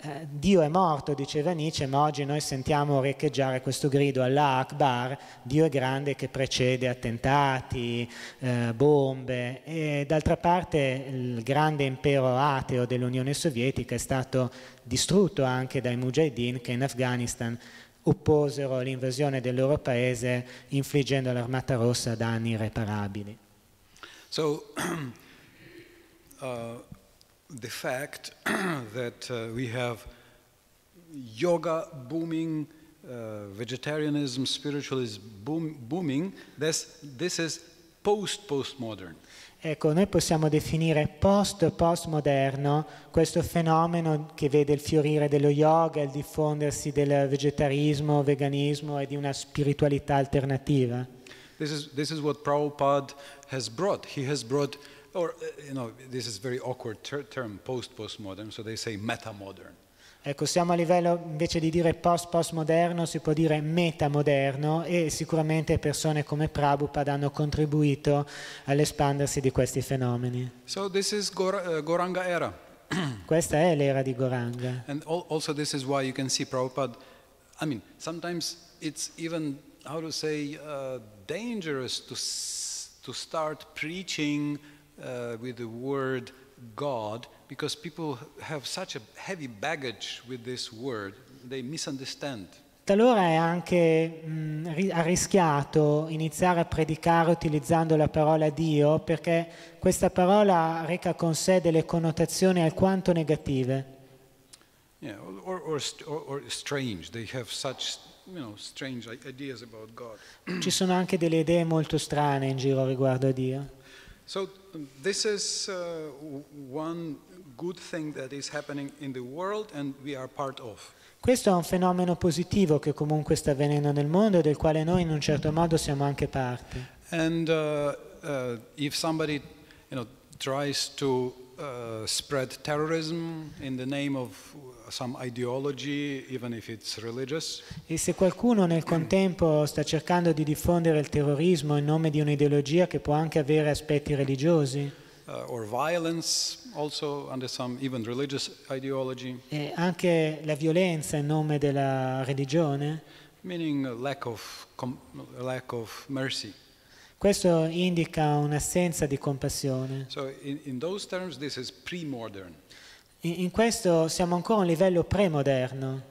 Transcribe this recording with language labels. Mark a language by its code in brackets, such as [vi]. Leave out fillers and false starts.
[it] Dio è morto, diceva Nietzsche, ma oggi noi sentiamo riecheggiare questo grido [ar] Allah Akbar, [it] Dio è grande, che precede attentati, bombe. E d'altra parte il grande impero ateo dell'Unione Sovietica è stato distrutto anche dai Mujahideen, che in Afghanistan opposero l'invasione del loro paese infliggendo all'Armata Rossa danni irreparabili. [en] So the fact that we have yoga booming, vegetarianism, spiritualism booming, this is post-postmodern. [it] Ecco, noi possiamo definire post-postmoderno questo fenomeno che vede il fiorire dello yoga, il diffondersi del vegetarismo, veganismo e di una spiritualità alternativa. [en] This is what Prabhupada has brought. He has brought, or you know, this is a very awkward term, post-postmodern, so they say metamodern. [it] Ecco, siamo a livello invece di dire post-postmoderno, si può dire metamoderno, e sicuramente persone come Prabhupada hanno contribuito all'espandersi di questi fenomeni. [en] So this is Gauranga era. [it] Questa è l'era di Gauranga. [en] And also this is why you can see Prabhupada, I mean, sometimes it's even, how to say, dangerous to start preaching with the word God because people have such a heavy baggage with this word, they misunderstand. [it] Talora è anche arrischiato iniziare a predicare utilizzando la parola Dio, perché questa parola reca con sé delle connotazioni alquanto negative. [en] Yeah, or strange. They have such, you know, strange ideas about God. [it] Ci sono anche delle idee molto strane in giro riguardo a Dio. [en] So this is one good thing that is happening in the world and we are part of. [it] Questo è un fenomeno positivo che comunque sta avvenendo nel mondo e del quale noi in un certo modo siamo anche parte. [en] And if somebody, you know, tries to spread terrorism in the name of some ideology, even if it's religious. [it] E se qualcuno nel contempo sta cercando di diffondere il terrorismo in nome di un'ideologia che può anche avere aspetti religiosi. [en] Or violence also under some even religious ideology. [it] E anche la violenza in nome della religione. [en] Meaning lack of mercy. [it] Questo indica un'assenza di compassione. [en] So in those terms this is pre-modern. [it] In questo siamo ancora a un livello premoderno.